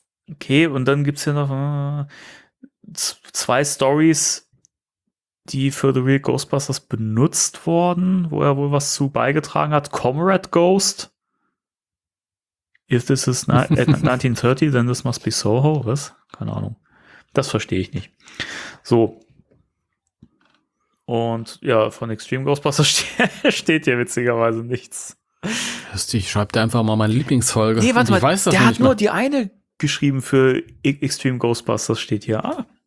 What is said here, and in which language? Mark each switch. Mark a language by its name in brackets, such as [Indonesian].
[German] Okay, und dann gibt's hier noch zwei Stories, die für The Real Ghostbusters benutzt wurden, wo er wohl was zu beigetragen hat. Comrade Ghost. [English] If this is 1930, then this must be Soho, was? [German] Keine Ahnung. Das verstehe ich nicht. So. Und ja, von Extreme Ghostbusters steht hier witzigerweise nichts. Ich schreibe dir einfach mal meine Lieblingsfolge. Nee, warte mal, weiß das der nicht hat nur mehr. Die eine geschrieben für Extreme Ghostbusters, steht hier. Ah.